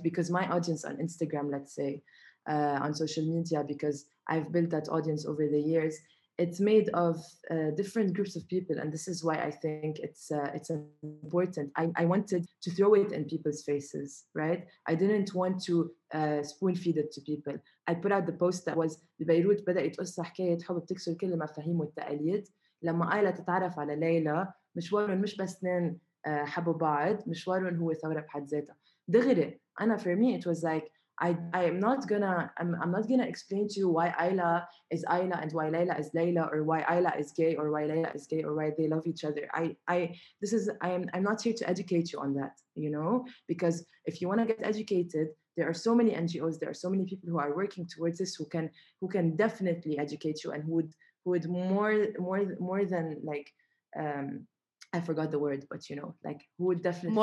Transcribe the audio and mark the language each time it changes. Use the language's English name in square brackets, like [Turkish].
[English] Because my audience on Instagram, let's say, on social media, because I've built that audience over the years, it's made of different groups of people. And this is why I think it's important. I wanted to throw it in people's faces, right? I didn't want to spoon feed it to people. I put out the post that was, [Arabic] ببيروت بدأت قصة حكاية حب بتكسر كل المفاهيم والتقاليد. لما آيلة تتعرف على ليلى مشوارهم مش بس نين حبوا بعض مشوارهم هو ثورة بحد ذاتها دغري. أنا [English] for me it was like I'm not gonna explain to you why Ayla is Ayla and why Layla is Layla, or why Ayla is gay or why Layla is gay, or why they love each other. I'm not here to educate you on that, you know, because if you want to get educated, there are so many NGOs, there are so many people who are working towards this who can definitely educate you, and who would more than like I forgot the word, but you know, like, who would definitely